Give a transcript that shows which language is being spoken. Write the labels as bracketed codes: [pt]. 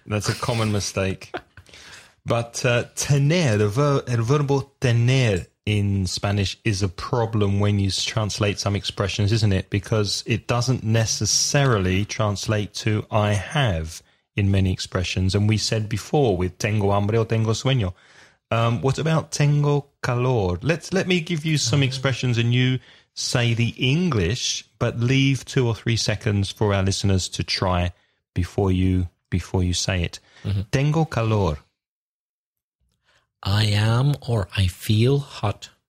[en] That's a common mistake. but [es] el verbo tener [en] in Spanish is a problem when you translate some expressions, isn't it? Because it doesn't necessarily translate to I have in many expressions. And we said before with [es] tengo hambre o tengo sueño. [en] What about [es] tengo calor? [en] Let me give you some expressions and you say the English, but leave 2 or 3 seconds for our listeners to try before you say it. [es] Mm-hmm. Tengo calor. [en] I am or I feel hot.